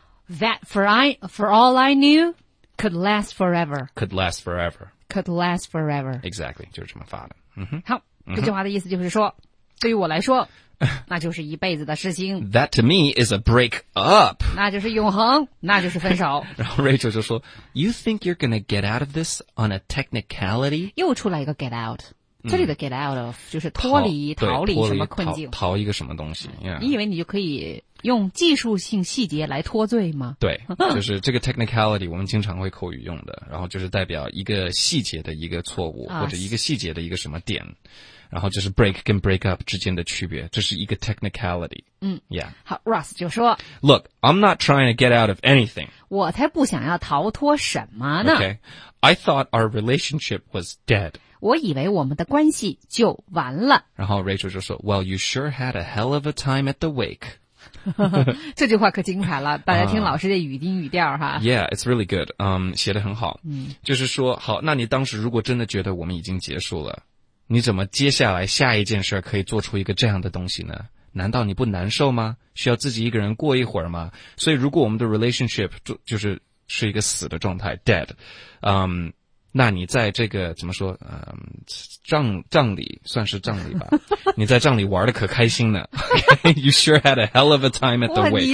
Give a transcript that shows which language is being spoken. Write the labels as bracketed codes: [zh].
[en] that for all I knew, could last forever, could last forever, could last forever, [zh] exactly, 就是这么发的好这句话的意思就是说对于我来说那就是一辈子的事情 [en] That to me is a break up [zh] 那就是永恒那就是分手然后 Rachel 就说 [en] You think you're gonna get out of this on a technicality [zh] 又出来一个 get out 这里的 get out of 就是脱离逃离什么困境逃一个什么东西、yeah. 你以为你就可以用技术性细节来脱罪吗对就是这个 technicality 我们经常会口语用的然后就是代表一个细节的一个错误、啊、或者一个细节的一个什么点然后就是 break 跟 break up 之间的区别这是一个 technicality 嗯 [en] yeah [zh] 好 Ross 就说 [en] Look, I'm not trying to get out of anything [zh] 我才不想要逃脱什么呢 [en] Okay, I thought our relationship was dead [zh] 我以为我们的关系就完了然后 Rachel 就说 [en] Well, you sure had a hell of a time at the wake [zh] 这句话可精彩了大家听老师的语音语调哈。 [en] Yeah, it's really good, [zh] 写得很好嗯，就是说好那你当时如果真的觉得我们已经结束了你怎么接下来下一件事可以做出一个这样的东西呢难道你不难受吗需要自己一个人过一会儿吗所以如果我们的 relationship 就是一个死的状态 dead, 那你在这个怎么说葬礼算是葬礼吧你在葬礼玩的可开心呢 [en] You sure had a hell of a time at the wake.